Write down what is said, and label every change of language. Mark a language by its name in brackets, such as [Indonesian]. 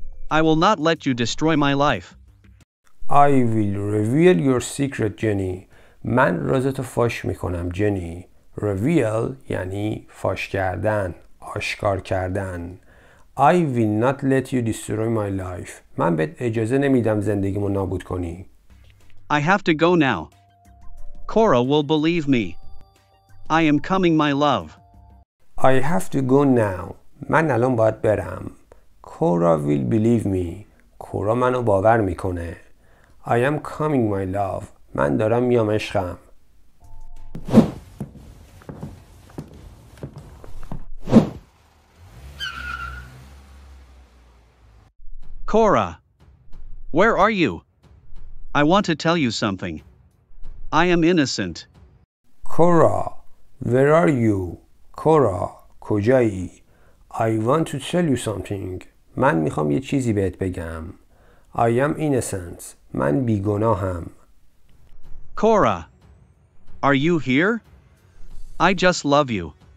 [English] I will not let you destroy my life. I will reveal your secret, Jenny. [Persian] من رازتو فاش میکنم, [English] Jenny. [Persian] Reveal یعنی فاش کردن, آشکار کردن. [English] I will not let you destroy my life. [Persian] من بهت اجازه نمیدم زندگیمو نابود کنی. [English] I have to go now. Cora will believe me. I am coming, my love. I have to go now. [Persian] من الان باید برم. [English] Cora will believe me. Cora [Persian] منو باور میکنه. [English] I am coming, my love. [Persian] من دارم میام عشقم. [English] Cora, where are you? I want to tell you something. I am innocent. Cora, where are you? Cora, [Persian] کجایی؟ [English] I want to tell you something. [Persian] من میخوام یه چیزی بهت بگم. [English] I am innocent. [Persian] من بیگناهم. [English] Cora, are you here? I just love you.